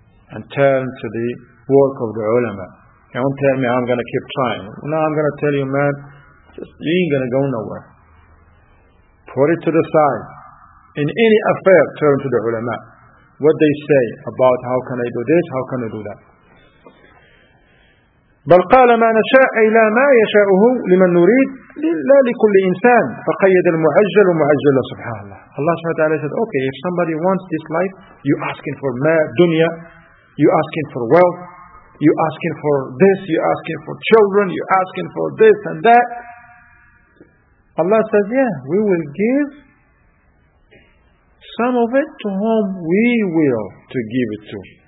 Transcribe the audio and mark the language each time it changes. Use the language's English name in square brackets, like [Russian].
[English] And turn to the work of the ulama. Don't tell me I'm going to keep trying. No, I'm going to tell you, man, just, you ain't going to go nowhere. Put it to the side. In any affair, turn to the ulama. What they say about how can I do this, how can I do that. [Arabic] بل قال ما نشاء أي لا ما يشاءه لمن نريد لا لكل إنسان فقيد المعجل ومعجل سبحان الله. [English] Allah subhanahu wa ta'ala said, okay, if somebody wants this life, you asking for dunya, you asking for wealth, you asking for this, you asking for children, you asking for this and that. Allah says, yeah, we will give some of it to whom we will to give it to.